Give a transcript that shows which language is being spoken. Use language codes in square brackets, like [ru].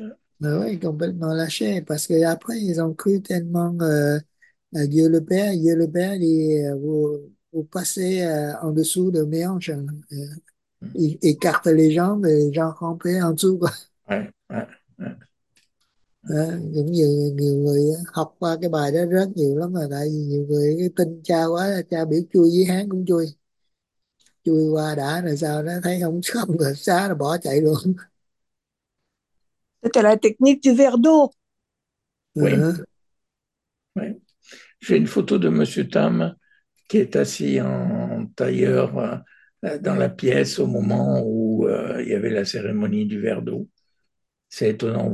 [fr] Hein. Hein. Oui, complètement lâché. Parce qu'après, ils ont cru tellement à Dieu le Père. Dieu le Père, vous passez en dessous de mes hanches. Il écarte les jambes et les jambes rampées en dessous. [vi] Cũng nhiều người học qua cái bài đó rất nhiều lắm, mà tại vì nhiều người cái tin cha quá là cha biểu chui dưới hán cũng chui chui qua đã, rồi sau đó thấy không xong rồi xa rồi bỏ chạy luôn. [fr] C'était la technique du verre d'eau. Oui. Oui. J'ai une photo de Monsieur Tam qui est assis en tailleur dans la pièce au moment où il y avait la cérémonie du verre d'eau. C'est étonnant.